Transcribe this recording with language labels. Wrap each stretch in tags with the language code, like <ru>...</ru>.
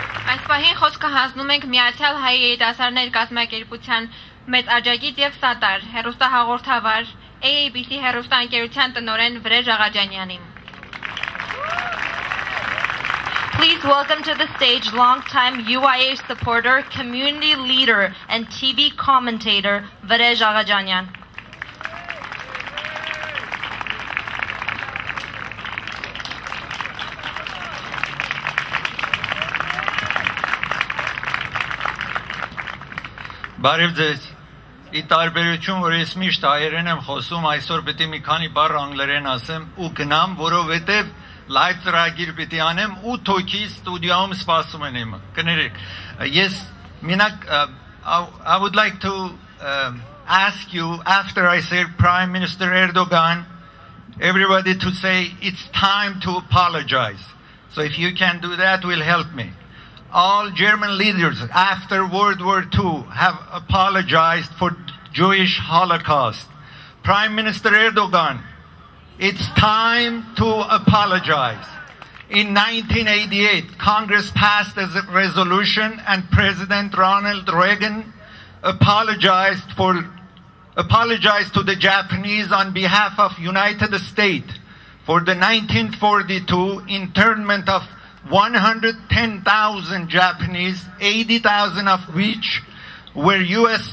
<hy>Այս պահին խոսքը հանձնում ենք Միացյալ Հայ Երիտասարդների Կազմակերպության մեծ աջակից և սատար, հեռուստահաղորդավար, AABC հեռուստաընկերության տնօրեն Վրեժ Աղաջանյանին։</hy> <en>Please welcome to the stage longtime UIH supporter, community leader, and TV commentator, Varej Agajanyan.</en> <hy>Բարև ձեզ, ի տարբերություն, որ ես միշտ հայերեն եմ խոսում, այսօր պետք է մի քանի բառ անգլերեն ասեմ ու գնամ, որովհետև Լայվ ծրագիր պիտի անեմ 8 հոգի ստուդիոյում սպասում են իմը։ Կներեք։ Ես մինակ</hy> <en>I would like to ask you after I said Prime Minister Erdogan everybody to say it's time to apologize. So if you can do that will help me. All German leaders after World War II have apologized for Jewish Holocaust. Prime Minister Erdogan, it's time to apologize. In 1988, Congress passed a resolution and President Ronald Reagan apologized to the Japanese on behalf of United States for the 1942 internment of 110,000 Japanese, 80,000 of which were U.S.</en>